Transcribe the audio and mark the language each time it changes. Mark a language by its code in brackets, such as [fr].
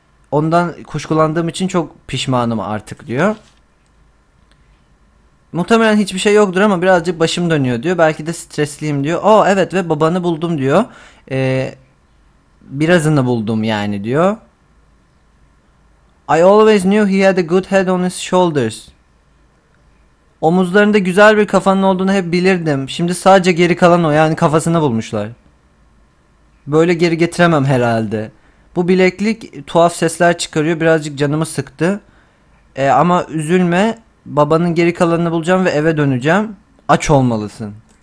[tr] Ondan kuşkulandığım için çok pişmanım artık diyor. Muhtemelen hiçbir şey yoktur ama birazcık başım dönüyor diyor. Belki de stresliyim diyor. Oo evet ve babanı buldum diyor. Birazını buldum yani diyor. [en] I always knew he had a good head on his shoulders. [tr] Omuzlarında güzel bir kafanın olduğunu hep bilirdim. Şimdi sadece geri kalan o yani kafasını bulmuşlar. Böyle geri getiremem herhalde. Bu bileklik tuhaf sesler çıkarıyor. Birazcık canımı sıktı. Ama üzülme. Babanın geri kalanını bulacağım ve eve döneceğim. Aç olmalısın.